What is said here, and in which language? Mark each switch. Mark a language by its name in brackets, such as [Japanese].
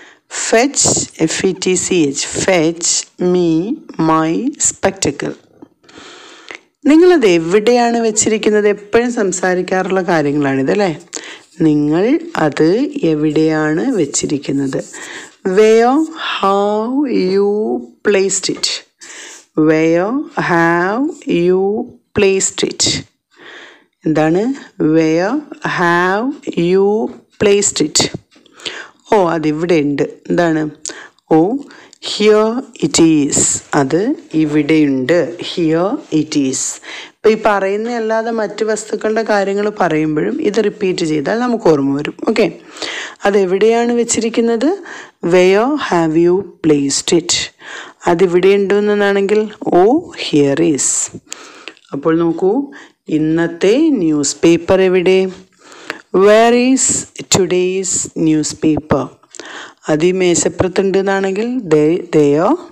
[English] Fetch F E T C H, fetch me my spectacle. [Malayalam] നിങ്ങളത് എവിടെയാണ് വെച്ചിരിക്കുന്നത്? എപ്പോഴും സംസാരിക്കാറുള്ള കാര്യങ്ങളാണിതല്ലേ. നിങ്ങൾ അത് എവിടെയാണ് വെച്ചിരിക്കുന്നത്? [English] Where have you placed it? Where have you placed it? [Malayalam] എന്താണ് [English] Where have you placed it? [Malayalam] ഓ, അതിവിടെ ഉണ്ട്. എന്താണ് ഓ? [English] Here it is. [Malayalam] അത് ഇവിടെയുണ്ട്. [English] Here it is. [Malayalam] ഇപ്പം ഈ പറയുന്ന അല്ലാതെ മറ്റ് വസ്തുക്കളുടെ കാര്യങ്ങൾ പറയുമ്പോഴും ഇത് റിപ്പീറ്റ് ചെയ്താൽ നമുക്ക് ഓർമ്മ വരും. ഓക്കെ, അതെവിടെയാണ് വെച്ചിരിക്കുന്നത്? [English] Where have you placed it? [Malayalam] അതിവിടെ ഉണ്ടെന്നാണെങ്കിൽ ഓ, [English] here is. [Malayalam] അപ്പോൾ നോക്കൂ, ഇന്നത്തെ ന്യൂസ് പേപ്പർ എവിടെ? [English] Where is today's newspaper? [Malayalam] അത് ഈ മേശപ്പുറത്തുണ്ടെന്നാണെങ്കിൽ ദയോ.